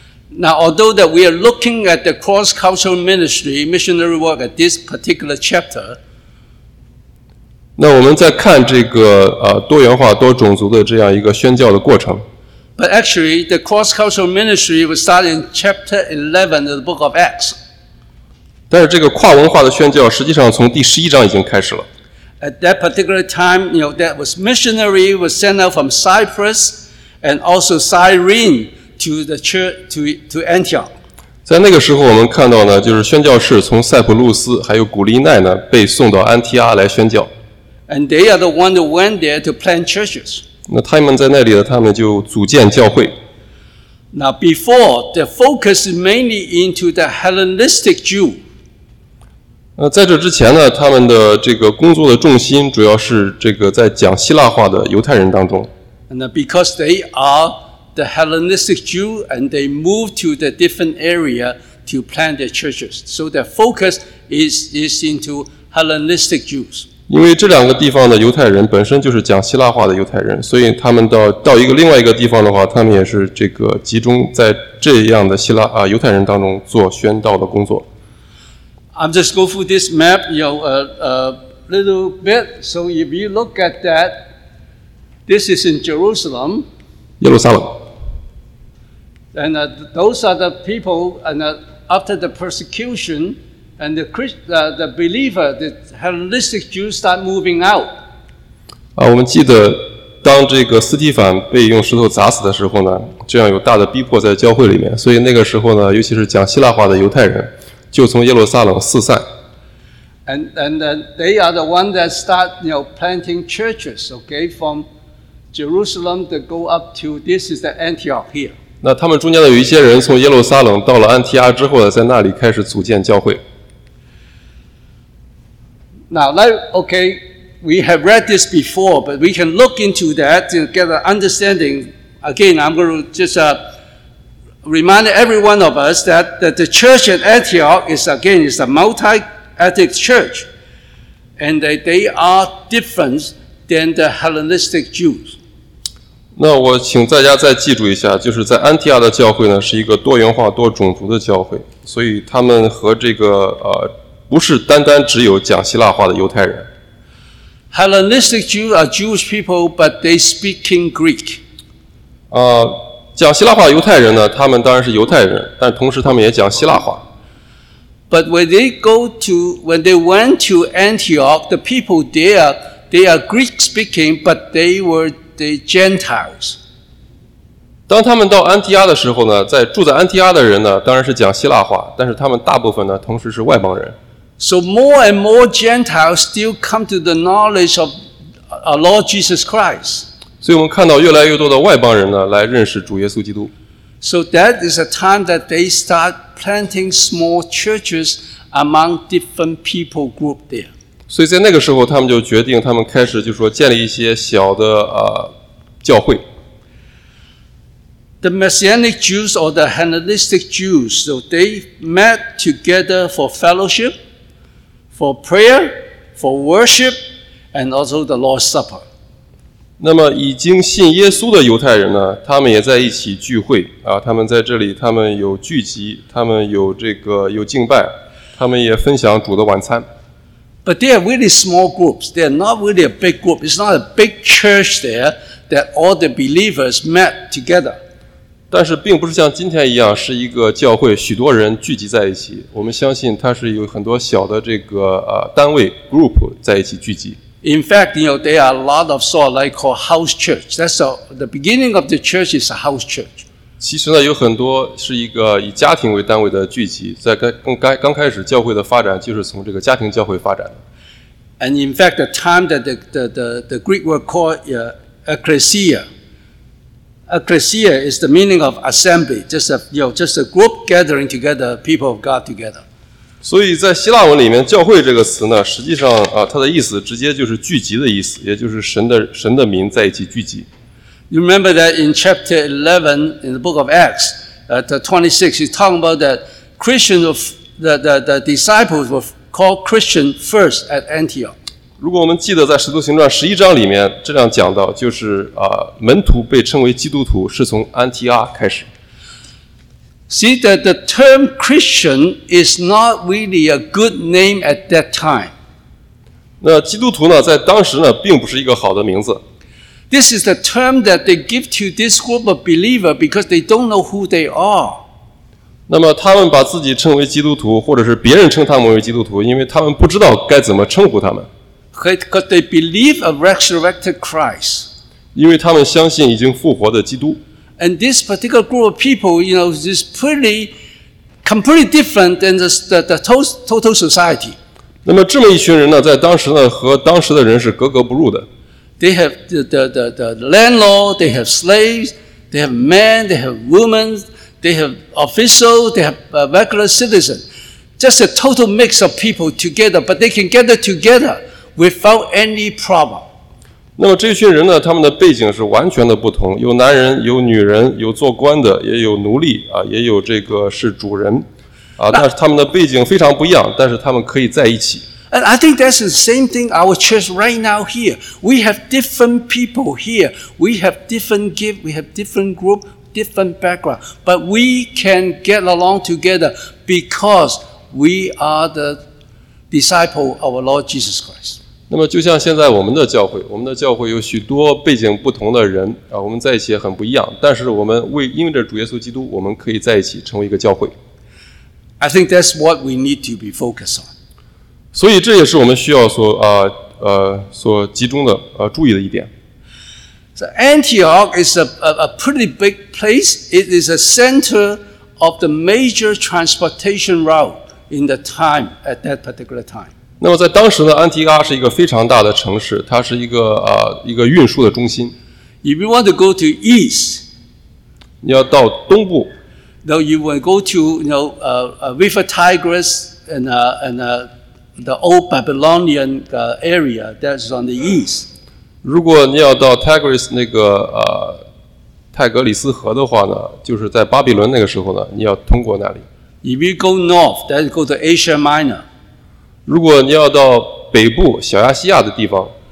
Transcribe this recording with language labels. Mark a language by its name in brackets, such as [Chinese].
[English] Now, although that we are looking at the cross-cultural ministry missionary work at this particular chapter, [Chinese] 那我们在看这个多元化多种族的这样一个宣教的过程。 [English] But actually, the cross-cultural ministry was started in chapter 11 of the book of Acts. [Chinese] 但是这个跨文化的宣教实际上从第十一章已经开始了。 [English] At that particular time, you know, that was missionary was sent out from Cyprus and also Cyrene to the church to Antioch. [Chinese] 在那个时候，我们看到呢，就是宣教士从塞浦路斯还有古利奈呢被送到安提阿来宣教。 [English] And they are the one that went there to plant churches. [Chinese] 那他们在那里呢，他们就组建教会。 [English] Now, before, the focus is mainly into the Hellenistic Jew. [Chinese] 在这之前呢，他们的这个工作的重心主要是这个在讲希腊化的犹太人当中。 [English] And because they are the Hellenistic Jew, and they move to the different area to plant their churches. So their focus is into Hellenistic Jews. [Chinese] 因为这两个地方的犹太人本身就是讲希腊话的犹太人，所以他们到一个另外一个地方的话，他们也是这个集中在这样的犹太人当中做宣道的工作。 [English] I'm just go through this map, you know, a little bit. So if you look at that, this is in Jerusalem. [Chinese] 耶路撒冷。 [English] And those are the people, and after the persecution. And the believer, the Hellenistic Jews start moving out. [Chinese] 我们记得当这个斯提凡被用石头砸死的时候呢，这样有大的逼迫在教会里面，所以那个时候呢，尤其是讲希腊话的犹太人，就从耶路撒冷四散。 [English] And they are the ones that start, you know, planting churches. Okay, from Jerusalem to go up to this is the Antioch here. [Chinese] 那他们中间的有一些人从耶路撒冷到了安提阿之后呢，在那里开始组建教会。 [English] Now, like, okay, we have read this before, but we can look into that to get an understanding. Again, I'm going to just remind every one of us that the church at Antioch is a multi-ethnic church, and that they are different than the Hellenistic Jews. [Chinese] 那我请大家再记住一下，就是在安提阿的教会呢，是一个多元化、多种族的教会，所以他们和这个不是单单只有讲希腊话的犹太人。 [English] Hellenistic Jews are Jewish people, but they speak in Greek. [Chinese] 讲希腊话犹太人呢，他们当然是犹太人，但同时他们也讲希腊话。 [English] But when they went to Antioch, the people there, they are Greek speaking, but they were the Gentiles. [Chinese] 当他们到安提阿的时候呢，在住在安提阿的人呢，当然是讲希腊话，但是他们大部分呢，同时是外邦人。 [English] So more and more Gentiles still come to the knowledge of our Lord Jesus Christ. [Chinese] 所以我们看到越来越多的外邦人呢来认识主耶稣基督。 [English] So that is a time that they start planting small churches among different people group there. [Chinese] 所以在那个时候，他们就决定，他们开始就说建立一些小的教会。 [English] The Messianic Jews or the Hellenistic Jews, so they met together for fellowship. For prayer, for worship, and also the Lord's Supper. [Chinese] 那么已经信耶稣的犹太人呢，他们也在一起聚会啊。他们在这里，他们有聚集，他们有这个有敬拜，他们也分享主的晚餐。 [English] But they are really small groups. They are not really a big group. It's not a big church there that all the believers met together. [Chinese] 但是并不是像今天一样是一个教会许多人聚集在一起。我们相信它是有很多小的这个单位 group 在一起聚集。 [English] In fact, you know, there are a lot of sort of like called house church. That's the beginning of the church is a house church. [Chinese] 其实呢有很多是一个以家庭为单位的聚集，在刚开始教会的发展就是从这个家庭教会发展的。 [English] And in fact, the time that the Greek word called ecclesia. Ecclesia is the meaning of assembly, just a, you know, just a group gathering together, people of God together. [Chinese] 所以在希腊文里面教会这个词呢实际上它的意思直接就是聚集的意思，也就是神的民在一起聚集。 [English] You remember that in chapter 11 in the book of Acts, at 26, he's talking about that Christians of the disciples were called Christian first at Antioch. [Chinese] 如果我们记得在《使徒行传》十一章里面这样讲到，就是门徒被称为基督徒是从安提阿开始。 [English] See that the term Christian is not really a good name at that time. [Chinese] 那基督徒呢，在当时呢，并不是一个好的名字。 [English] This is the term that they give to this group of believers because they don't know who they are. [Chinese] 那么他们把自己称为基督徒，或者是别人称他们为基督徒，因为他们不知道该怎么称呼他们。 [English] Because they believe a resurrected Christ. [Chinese] 因为他们相信已经复活的基督。 [English] And this particular group of people, you know, is pretty completely different than the total society. [Chinese] 那么这么一群人呢，在当时呢，和当时的人是格格不入的。 [English] They have the landlord, they have slaves, they have men, they have women, they have officials, they have regular citizens. Just a total mix of people together, but they can gather together. Without any problem. [Chinese] 那么这群人呢，他们的背景是完全的不同，有男人，有女人，有做官的，也有奴隶啊，也有这个是主人啊。但是他们的背景非常不一样，但是他们可以在一起。 [English] And I think that's the same thing our church right now here. We have different people here. We have different gift. We have different group, different background. But we can get along together because we are the. Disciple our Lord Jesus Christ. [Chinese] 那么就像现在我们的教会有许多背景不同的人啊，我们在一起也很不一样。但是我们因为着主耶稣基督，我们可以在一起成为一个教会。 [English] I think that's what we need to be focused on. [Chinese] 所以这也是我们需要所集中的注意的一点。 [English] So Antioch is a pretty big place. It is a center of the major transportation route. In the time at that particular time. [Chinese] 那么在当时呢，安提阿是一个非常大的城市，它是一个运输的中心。 [English] If you want to go to east, [Chinese] 你要到东部。 [English] No, you want to go to River Tigris and the old Babylonian area that is on the east. [Chinese] 如果你要到 Tigris 那个泰格里斯河的话呢，就是在巴比伦那个时候呢，你要通过那里。 [English] If you go north, then go to Asia Minor. [Chinese] 如果你要到北部小亚细亚的地方。